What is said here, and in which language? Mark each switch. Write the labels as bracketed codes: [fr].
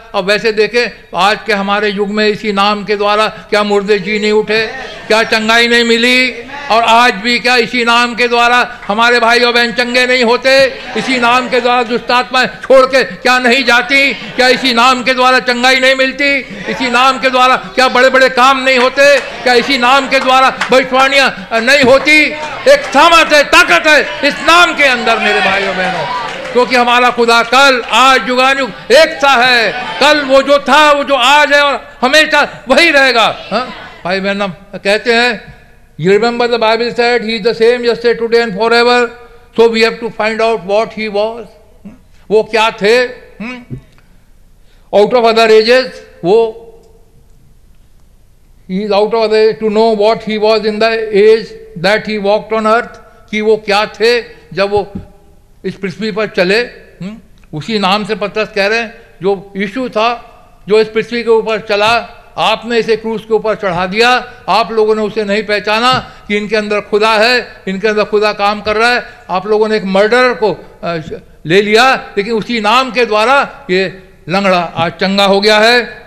[hi] अब वैसे देखें आज के हमारे युग में इसी नाम के द्वारा क्या मुर्दे जी नहीं उठे, क्या चंगाई नहीं मिली, और आज भी क्या इसी नाम के द्वारा हमारे भाई और बहन चंगे नहीं होते, इसी नाम के द्वारा दुष्टात्माएं छोड़ के क्या नहीं जाती, क्या इसी नाम के द्वारा चंगाई नहीं मिलती, इसी नाम के द्वारा क्या बड़े बड़े काम नहीं होते, क्या इसी नाम के द्वारा भविष्यवाणियां नहीं होती। एक सामर्थ है, ताकत है इस नाम के अंदर मेरे भाई और बहनों, क्योंकि हमारा खुदा कल आज युगानुग एक सा है, कल वो जो था वो जो आज है और हमेशा वही रहेगा। भाई बहन कहते हैं [en] You remember the Bible said he is the same yesterday, today and forever. So we have to find out what he was. [hi] वो क्या थे? [en] Out of other ages, वो he is out of other age to know what he was in the age that he walked on earth. [hi] कि वो क्या थे जब वो इस पृथ्वी पर चले? उसी नाम से पतरस कह रहे हैं जो यीशु था जो इस पृथ्वी के ऊपर चला, आपने इसे क्रूस के ऊपर चढ़ा दिया, आप लोगों ने उसे नहीं पहचाना कि इनके अंदर खुदा है, इनके अंदर खुदा काम कर रहा है, आप लोगों ने एक मर्डरर को ले लिया, लेकिन उसी नाम के द्वारा ये लंगड़ा आज चंगा हो गया है।